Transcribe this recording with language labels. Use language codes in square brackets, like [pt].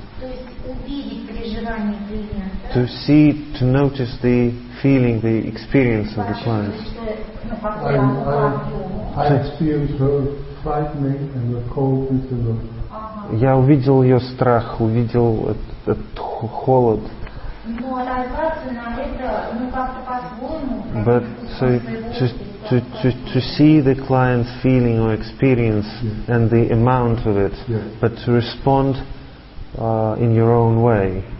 [ru] То есть увидеть переживание клиента. [en] To see, to notice the feeling, the experience of the client. [ru] Я увидел ее страх, увидел этот холод. Но отозваться на это, ну, как-то по-своему. [en] To see the client's feeling or experience, yes, and the amount of it, yes, but to respond in your own way.